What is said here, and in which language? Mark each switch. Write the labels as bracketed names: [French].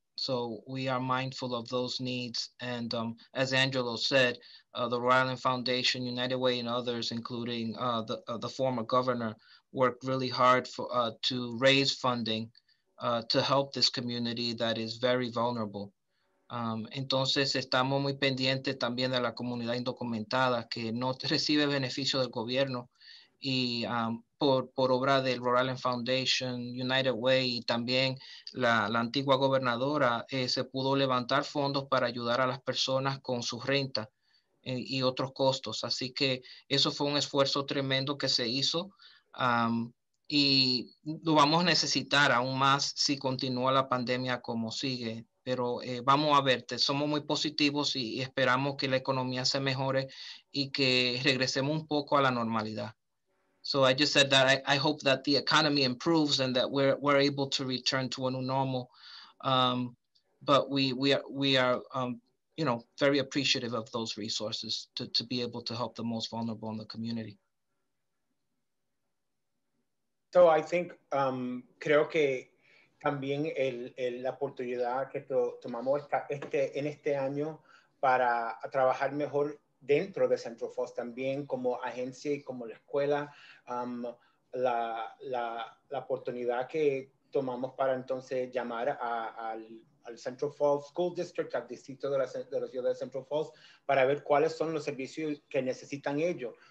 [English] So we are mindful of those needs. And as Angelo said, the Rhode Island Foundation, United Way, and others, including the former governor, worked really hard for to raise funding to help this community that is very vulnerable. [Spanish] Entonces, estamos muy pendientes también de la comunidad indocumentada que no recibe beneficio del gobierno y por obra del Rhode Island Foundation, United Way y también la antigua gobernadora se pudo levantar fondos para ayudar a las personas con su renta y otros costos. Así que eso fue un esfuerzo tremendo que se hizo y lo vamos a necesitar aún más si continúa la pandemia como sigue. Pero vamos a verte, somos muy positivos y esperamos que la economía se mejore y que regresemos un poco a la normalidad. [English] So I just said that I hope that the economy improves and that we're able to return to a new normal. But we are very appreciative of those resources to be able to help the most vulnerable in the community. So I think, [Spanish] creo que también la oportunidad que tomamos en este año para trabajar mejor dentro de Centro Foss también como agencia y como la escuela, la oportunidad que tomamos para entonces llamar al Centro Foss School District, al distrito de la ciudad de Centro Foss, para ver cuáles son los servicios que necesitan ellos.